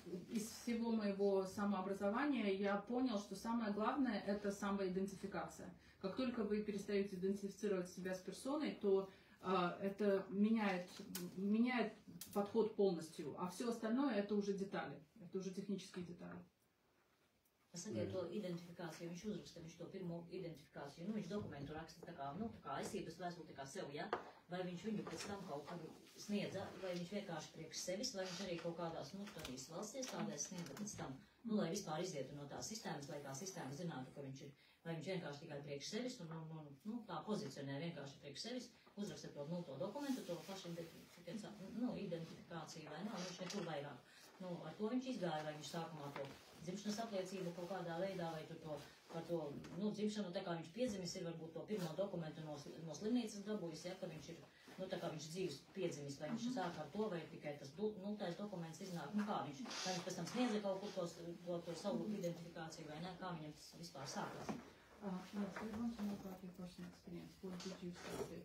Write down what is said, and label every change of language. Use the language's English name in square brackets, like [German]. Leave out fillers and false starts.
[Russian] Из всего моего самообразования я понял, что самое главное – это самоидентификация. Как только вы перестаете идентифицировать себя с персоной, то это меняет подход полностью, а все остальное – это уже детали, это уже технические детали. [Latvian] Saka, ja to identifikāciju viņš uzraksta, viņš to pirmo identifikāciju, viņš dokumentu raksta tā kā, nu, tā kā esības vēstuli, tā kā sev, ja? Vai viņš viņu pēc tam kaut kādu sniedza, vai viņš vienkārši priekš sevis, vai viņš arī kaut kādās, nu, tādīs valsties tādēs sniedza pēc tam, nu, lai vispār izietu no tās sistēmas, lai tā sistēma zinātu, ka viņš ir, vai viņš vienkārši tikai priekš sevis, un, nu, tā pozicionē vienkārši priekš sevis, uzraksta to, nu, to dokumentu, to pašu identifikāciju, vai nav, viņš nekur vairāk, nu, ar to viņš izgāja, vai viņš sākumā to dzimšanas apliecību kaut kādā veidā, vai tur to, par to, nu, dzimšanu, tā kā viņš piedzimis ir, varbūt to pirmo dokumentu no slimnīcas dabūjis, ja, ka viņš ir, nu, tā kā viņš dzīves piedzimis, vai viņš sāk ar to, vai tikai tas, nu, tais dokuments iznāk, nu, kā viņš, vai viņš pēc tam sniedza kaut kur to savu identifikāciju, vai ne, kā viņam tas vispār sākās. [English] Yes, we want to know about your personal experience. What did you study?